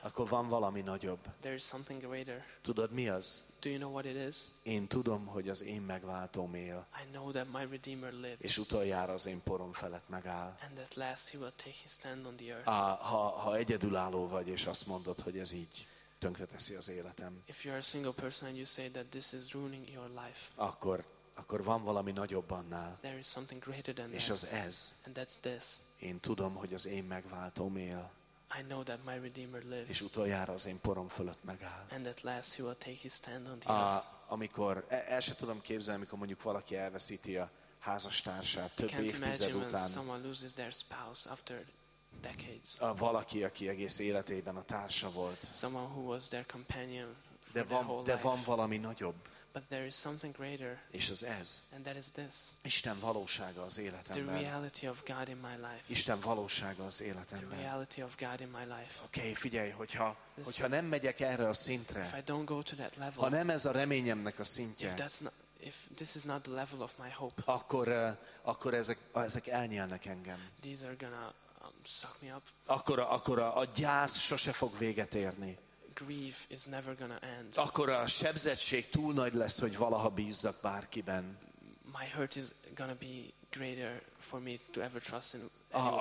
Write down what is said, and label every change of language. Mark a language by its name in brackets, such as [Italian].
[Hungarian] akkor van valami nagyobb. [English] There is something greater. [Hungarian] Tudod, mi az? [English] Do you know what it is? [Hungarian] Én tudom, hogy az én megváltóm él. [English] I know that my Redeemer lives. [Hungarian] És utoljára az én porom felett megáll. [English] And at last he will take his stand on the earth. [Hungarian] Ha egyedülálló vagy, és azt mondod, hogy ez így tönkreteszi az életem, [English] if you are a single person and you say that this is ruining your life, [Hungarian] akkor van valami nagyobb annál. [English] There is something greater than that. [Hungarian] És az ez. [English] And that's this. [Hungarian] Én tudom, hogy az én megváltóm él. [English] I know that my Redeemer lives. [Hungarian] És utoljára az én porom fölött megáll. [English] And at last he will take his stand on the earth. [Hungarian] Amikor el sem tudom képzelni, amikor mondjuk valaki elveszíti a házastársát több évtized után. [English] Can't imagine when someone loses their spouse after decades. [Hungarian] Valaki, aki egész életében a társa volt. [English] Someone who was their companion for their whole life. [Hungarian] De van valami nagyobb. [English] But there is something greater. [Hungarian] És az ez. [English] And that is this. [Hungarian] Isten valósága az életemben. [English] The reality of God in my life. [Hungarian] Isten valósága az életemben. [English] The reality of God in my life. [Hungarian] Okay, figyelj, hogyha nem megyek erre a szintre. [English] If I don't go to that level. [Hungarian] Ha nem ez a reményemnek a szintje. [English] If this is not the level of my hope. [Hungarian] Akkor ezek elnyelnek engem. [English] These are gonna suck me up. [Hungarian] Akkor a gyász sose fog véget érni. [English] Grief is never gonna end. [Hungarian] Akkor a sebzettség túl nagy lesz, hogy valaha bízzak bárkiben. [English] My hurt is gonna be greater for me to ever trust in anyone.